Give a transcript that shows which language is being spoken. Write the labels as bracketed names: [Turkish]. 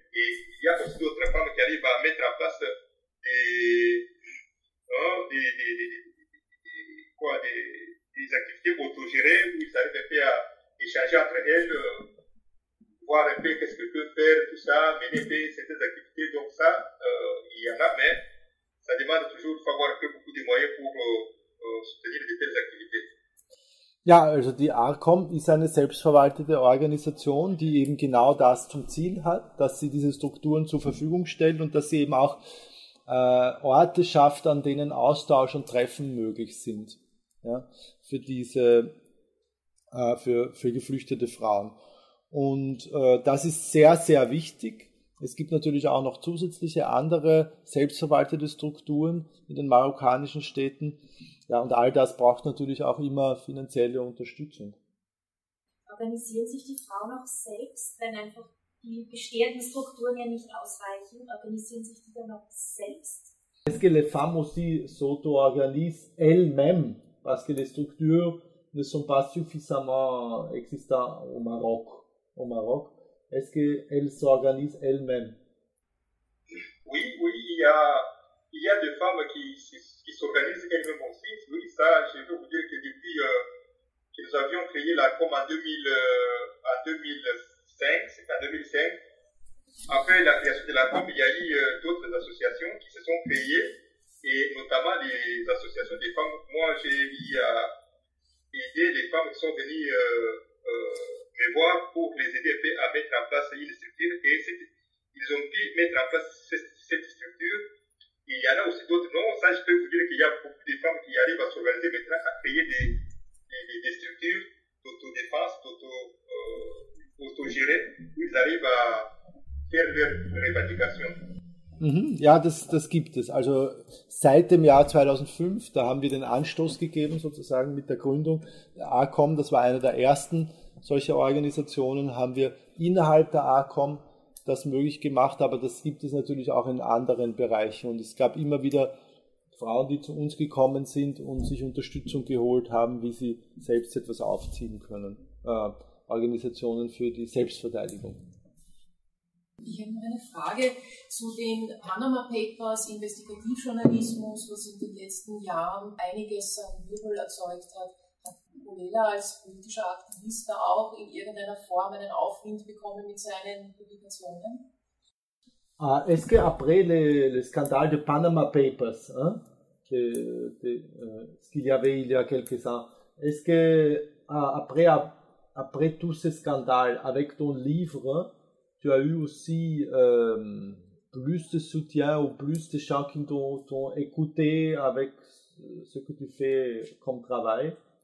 [French] Et il y a aussi d'autres femmes qui arrivent à mettre en place des activités autogérées où ils arrivent un peu à échanger entre elles, voir un peu qu'est-ce qu'elles peuvent faire, tout ça, mener certaines activités. Donc, ça, il y en a, mais. Ça demande toujours de avoir beaucoup de moyens pour soutenir de telles activités. [German] Ja, also die ARCOM ist eine selbstverwaltete Organisation, die eben genau das zum Ziel hat, dass sie diese Strukturen zur Verfügung stellt und dass sie eben auch Orte schafft, an denen Austausch und Treffen möglich sind, ja, für diese für geflüchtete Frauen. Und das ist sehr, sehr wichtig. Es gibt natürlich auch noch zusätzliche andere selbstverwaltete Strukturen in den marokkanischen Städten. Ja, und all das braucht natürlich auch immer finanzielle Unterstützung. Organisieren sich die Frauen auch selbst, wenn einfach die bestehenden Strukturen ja nicht ausreichen? Organisieren sich die dann auch selbst? [French] Est-ce que les femmes aussi s'auto-organisent elles-mêmes, parce que les structures ne sont pas suffisamment existantes au Maroc? Au Maroc. Est-ce qu'elle s'organise elle-même? Oui, oui, il y a des femmes qui s'organisent elles-mêmes aussi. Oui, ça, je veux vous dire que depuis que nous avions créé la COM en 2005, après la création de la COM, il y a eu d'autres associations qui se sont créées, et notamment les associations des femmes. Moi, j'ai mis à aider les femmes qui sont venues voir pour les aider à mettre en place une structure et ils ont pu mettre en place cette structure. Il y en a aussi d'autres, non, ça je peux vous dire qu'il y a beaucoup de femmes qui arrivent à s'organiser maintenant, à créer des structures d'autodéfense, d'autogérées, où ils arrivent à faire leurs revendications. [German] Ja, das gibt es. Also seit dem Jahr 2005, da haben wir den Anstoß gegeben sozusagen mit der Gründung der ARCOM, das war eine der ersten solcher Organisationen, haben wir innerhalb der ARCOM das möglich gemacht, aber das gibt es natürlich auch in anderen Bereichen und es gab immer wieder Frauen, die zu uns gekommen sind und sich Unterstützung geholt haben, wie sie selbst etwas aufziehen können, Organisationen für die Selbstverteidigung. Ich habe noch eine Frage zu den Panama Papers, Investigativjournalismus, was in den letzten Jahren einiges an Wirbel erzeugt hat. Hat Bolela als politischer Aktivist da auch in irgendeiner Form einen Aufwind bekommen mit seinen Publikationen? [French] Esque après le scandale de Panama Papers, hein, qu'il y avait il y a quelques ans, est-ce que après tout ce scandale avec ton livre, tu as eu aussi plus de soutien ou plus de gens qui t'ont écouté avec ce que tu fais comme travail?